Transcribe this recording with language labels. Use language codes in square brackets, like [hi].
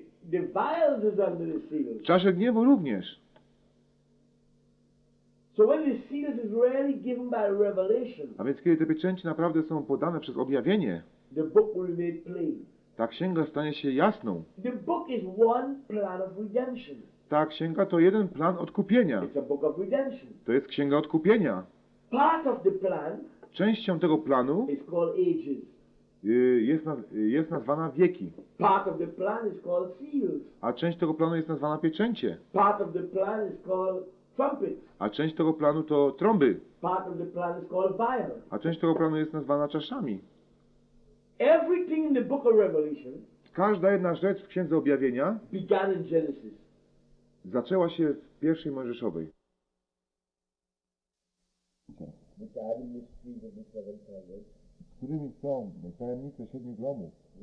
[en] The vials was under the seals. [pl] Czasze gniewu również. [en] So when the seals is really given by revelation, [pl] a więc kiedy te pieczęci naprawdę są podane przez objawienie, [en] the book will be made plain. [pl] Ta księga stanie się jasną. [en] The book is one plan of redemption. [pl] Ta księga to jeden plan odkupienia. [en] It's a book of redemption. [pl] To jest księga odkupienia. [en] Part of the plan, [pl] częścią tego planu [en] is called ages. [pl] Jest nazwana wieki. [en] Part of the plan is called seals. [pl] A część tego planu jest nazwana pieczęcie. [en] Part of the plan is called trumpets. [pl] A część tego planu to trąby. [en] Part of the plan is called vials. [pl] A część tego planu jest nazwana czaszami. [en] Everything in the book of Revelation, [pl] każda jedna rzecz w Księdze Objawienia, [en] began in Genesis. [pl] Zaczęła się w pierwszej Mojżeszowej. Którymi są tajemnice siedmiu gromów?